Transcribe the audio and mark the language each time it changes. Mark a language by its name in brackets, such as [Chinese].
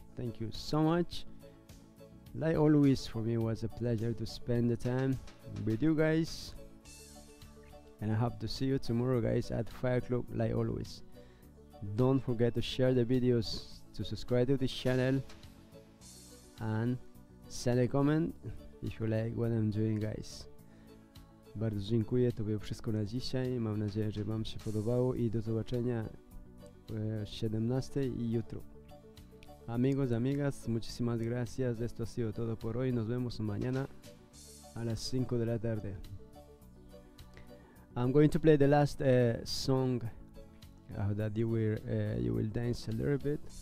[English] Thank you so much. Like always, for me, it was a pleasure to spend the time with you guys. And I hope to see you tomorrow, guys, at Fire Club, like always. Don't forget to share the videos, to subscribe to the channel, and send a comment if you like what I'm doing, guys. [Polish] Bardzo dziękuję, to było wszystko na dzisiaj. Mam nadzieję, że Wam się podobało i do zobaczenia o 17 i jutro. [Spanish] Amigos, amigas, muchísimas gracias. Esto ha sido todo por hoy. Nos vemos mañana a las 5 de la tarde. [English] I'm going to play the last song. I hope that you will dance a little bit.